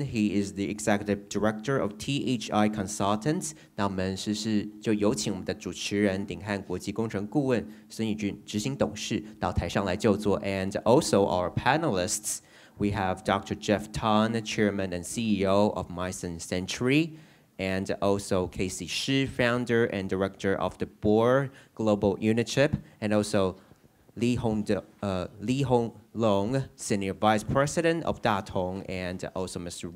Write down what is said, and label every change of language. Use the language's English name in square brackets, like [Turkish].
[English] He is the Executive Director of THI Consultants. [Chinese] 那我们是不是就有请我们的主持人鼎汉国际工程顾问孙以濬执行董事到台上来就座。 [English] And also our panelists, we have Dr. Jeff Tan, Chairman and CEO of Myson Century. And also Casey Shih, founder and director of the board, Global Unichip, and also Lee Hong Long, senior vice president of Tatung, and also Mr.